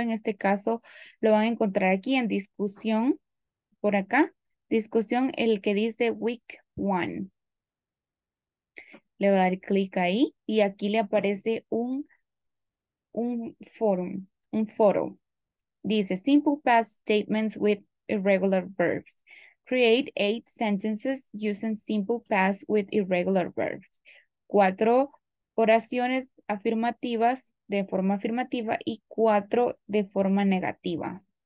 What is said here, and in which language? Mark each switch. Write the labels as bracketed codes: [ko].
[es] En este caso, lo van a encontrar aquí en discusión, por acá. Discusión, el que dice week one. Le voy a dar clic ahí y aquí le aparece un foro. [en] Dice simple past statements with irregular verbs. Create 8 sentences using simple past with irregular verbs. [es] 4 oraciones afirmativas de forma afirmativa y 4 de forma negativa.